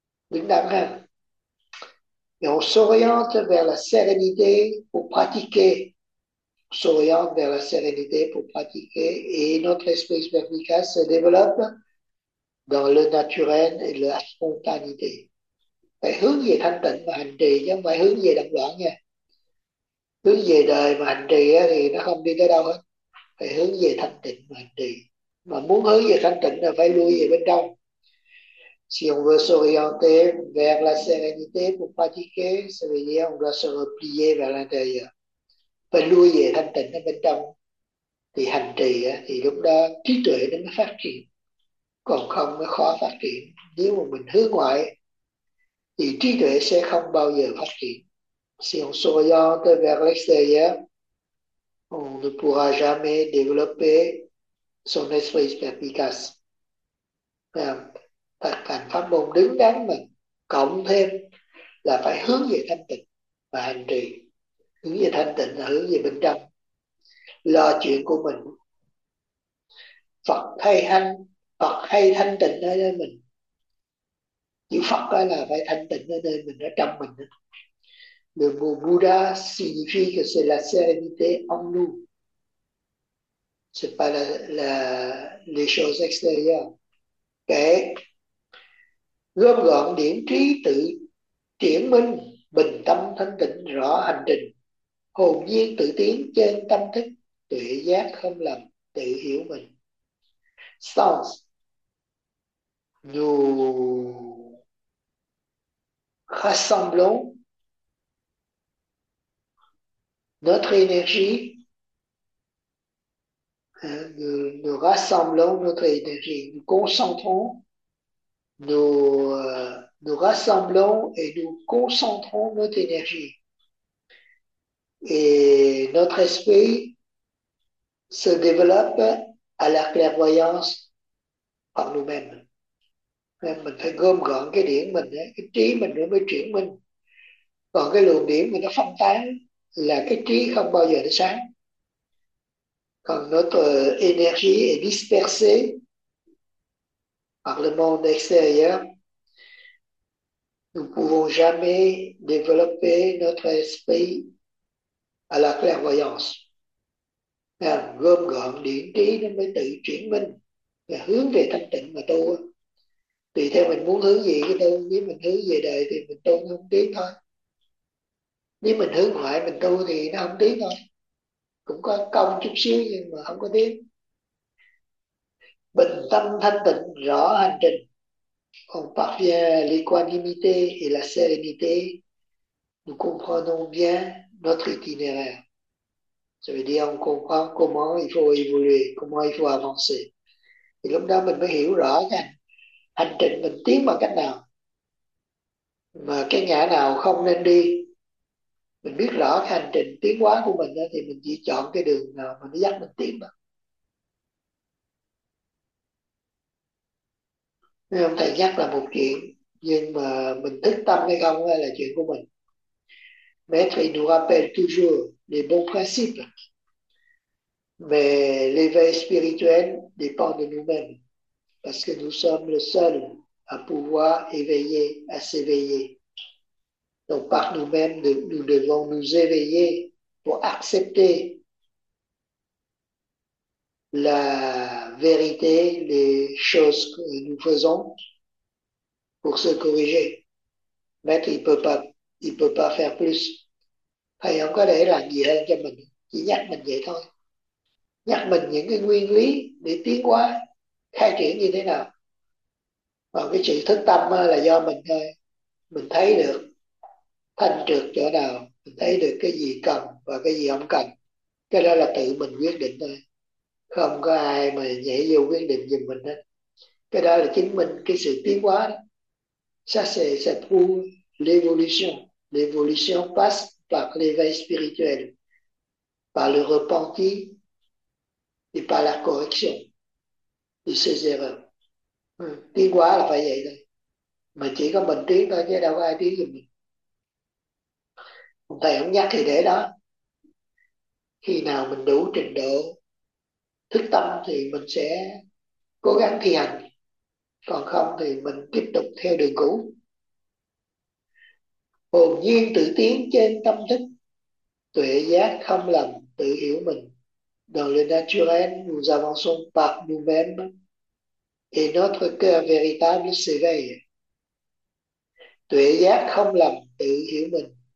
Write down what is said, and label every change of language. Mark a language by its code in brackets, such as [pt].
[vi] Đứng đắn. [fr] Et on s'oriente vers la sérénité pour pratiquer. On s'oriente vers la sérénité pour pratiquer et notre esprit perspicace se développe dans le naturel et la spontanéité. [vi] Phải hướng về thanh tịnh mà hành trì chứ không phải hướng về động loạn nha. Hướng về đời mà hành trì thì nó không đi tới đâu hết. Phải hướng về thanh tịnh mà hành trì. Mà muốn hướng về thanh tịnh là phải lui về bên trong. [fr] Si on veut s'orienter vers la sérénité pour pratiquer, ça veut dire on doit se replier vers l'intérieur. [vi] Phải lui về thanh tịnh ở bên trong. Thì hành trì thì lúc đó trí tuệ nó mới phát triển. Còn không nó khó phát triển. Nếu mà mình hướng ngoại thì trí tuệ sẽ không bao giờ phát triển. [fr] Si on s'oriente vers l'extérieur, on ne pourra jamais développer son esprit perspicace. [vi] Thực hành pháp môn đứng đắn mà cộng thêm là phải hướng về thanh tịnh và hành trì. Hướng về thanh tịnh là hướng về bên trong. Lo chuyện của mình. Phật hay thanh tịnh ở nơi mình. Chữ Phật đó là phải thanh tịnh ở nơi mình, ở trong mình. [fr] Le mot Bouddha signifie que c'est la sérénité en nous. Ce n'est pas les choses extérieures. [vi] Kể, gom gọn điển trí tự triển minh, bình tâm thanh tịnh rõ hành trình. Hồn nhiên tự tiến trên tâm thức, tuệ giác không lầm, tự hiểu mình. [fr] Sons, nous rassemblons notre énergie, nous rassemblons notre énergie, nous concentrons, nous rassemblons et nous concentrons notre énergie. Et notre esprit se développe à la clairvoyance par nous-mêmes. [vi] nên mình phải gom gọn cái điển mình ấy, cái trí mình nó mới chuyển mình. Còn cái luồng điển mà nó phân tán là cái trí không bao giờ nó sáng. [fr] Còn notre énergie est dispersée par le monde extérieur. Nous pouvons jamais développer notre esprit à la clairvoyance. [vi] Gom gọn điển trí nó mới tự chuyển mình và hướng về thanh tịnh mà tu. Tùy theo mình muốn hướng gì, cái tu nếu mình hướng về đời thì mình tu không tiến thôi. Nếu mình hướng ngoại mình tu thì nó không tiến thôi. Cũng có công chút xíu nhưng mà không có tiến. Bình tâm thanh tịnh rõ hành trình. [fr] Còn parvient l'équanimité et la sérénité, nous comprenons bien notre itinéraire. Ça veut dire on comprend comment il faut évoluer, comment il faut avancer. [vi] Thì lúc đó mình mới hiểu rõ nha, hành trình mình tiến bằng cách nào, mà cái ngã nào không nên đi. Mình biết rõ cái hành trình tiến hóa của mình đó, thì mình chỉ chọn cái đường nào mà nó dắt mình tiến bằng. Nên ông thầy nhắc là một chuyện, nhưng mà mình thức tâm hay không là chuyện của mình. [fr] Maître il nous rappelle toujours les bons principes. Mais l'éveil spirituel dépend de nous-mêmes. Parce que nous sommes le seul à pouvoir éveiller, à s'éveiller. Donc par nous-mêmes, nous devons nous éveiller pour accepter la vérité, les choses que nous faisons pour se corriger. Maître, il peut pas faire plus. [vi] Thầy không có để làm gì hơn cho mình, chỉ nhắc mình vậy thôi. Nhắc mình những cái nguyên lý để tiến hóa, khai triển như thế nào. Còn cái chuyện thức tâm là do mình thôi. Mình thấy được thanh trượt chỗ nào, mình thấy được cái gì cần và cái gì không cần. Cái đó là tự mình quyết định thôi. Không có ai mà nhảy vô quyết định giùm mình hết. Cái đó là chứng minh cái sự tiến hóa đó. [fr] Ça prouve l'évolution. L'évolution passe par l'éveil spirituel, par le repenti et par la correction de ses erreurs. [vi] Tiến hóa là phải vậy thôi. Mà chỉ có mình tiến thôi chứ đâu có ai tiến giùm mình. Ông thầy không nhắc thì để đó. Khi nào mình đủ trình độ thức tâm thì mình sẽ cố gắng thi hành. Còn không thì mình tiếp tục theo đường cũ. Hồn nhiên tự tiến trên tâm thức. Tuệ giác không lầm tự hiểu mình. [fr] Dans le naturel, nous avançons par nous-mêmes et notre cœur véritable s'éveille. [vi] Tuệ giác không lầm tự hiểu mình.